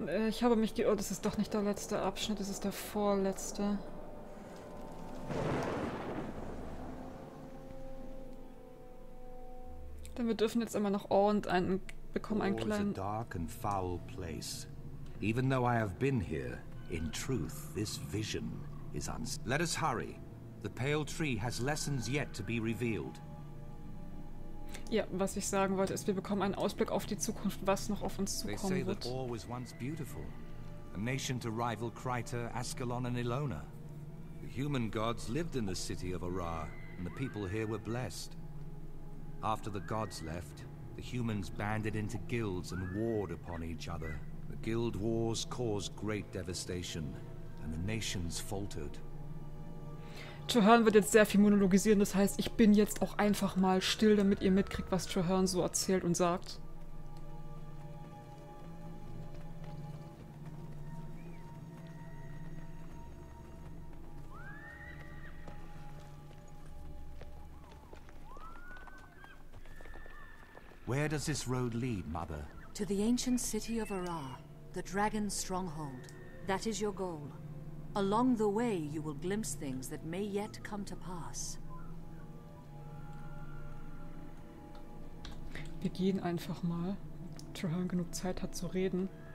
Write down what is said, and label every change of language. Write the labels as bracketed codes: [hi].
[de] Ich habe mich geirrt, das ist doch nicht der letzte Abschnitt, das ist der vorletzte. Denn wir dürfen jetzt immer noch bekommen einen kleinen... [en] It's a dark and foul place. Even though I have been here, in truth, this vision is Let us hurry. The pale tree has lessons yet to be revealed. [de] Ja, was ich sagen wollte, ist, wir bekommen einen Ausblick auf die Zukunft, was noch auf uns zukommen wird. [en] They say that war was once beautiful. A nation to rival Kryta, Ascalon and Ilona. The human gods lived in the city of Arar, and the people here were blessed. After the gods left, the humans banded into guilds and warred upon each other. The guild wars caused great devastation, and the nations faltered. [de] Trehearne wird jetzt sehr viel monologisieren, das heißt, ich bin jetzt auch einfach mal still, damit ihr mitkriegt, was Trehearne so erzählt und sagt. [en] Where does this road lead, Mother? To the ancient city of Arar, the dragon's stronghold. That is your goal. Along the way, you will glimpse things that may yet come to pass. [de] Wir gehen einfach mal, Trehearne genug Zeit hat zu reden.